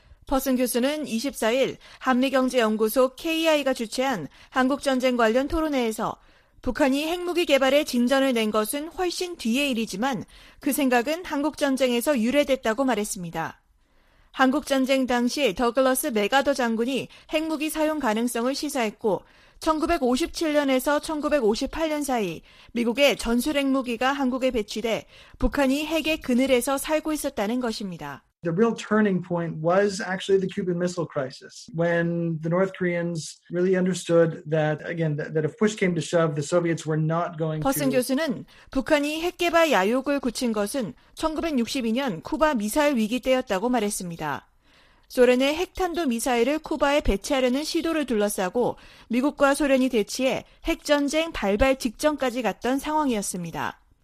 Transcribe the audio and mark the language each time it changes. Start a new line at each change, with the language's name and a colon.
Korean: 퍼슨 교수는 24일 한미경제연구소 KI가 주최한 한국전쟁 관련 토론회에서 북한이 핵무기 개발에 진전을 낸 것은 훨씬 뒤의 일이지만 그 생각은 한국전쟁에서 유래됐다고 말했습니다. 한국전쟁 당시 더글러스 맥아더 장군이 핵무기 사용 가능성을 시사했고 1957년에서 1958년 사이 미국의 전술 핵무기가 한국에 배치돼 북한이 핵의 그늘에서 살고 있었다는 것입니다.
English: The real turning point was actually the Cuban Missile Crisis when the North Koreans really understood that again that if push came to shove the Soviets were not going to
Korean: 퍼슨 교수는 북한이 핵 개발 야욕을 굳힌 것은 1962년 쿠바 미사일 위기 때였다고 말했습니다. 소련의 핵탄도 미사일을 쿠바에 배치하려는 시도를 둘러싸고 미국과 소련이 대치해 핵전쟁 발발 직전까지 갔던 상황이었습니다.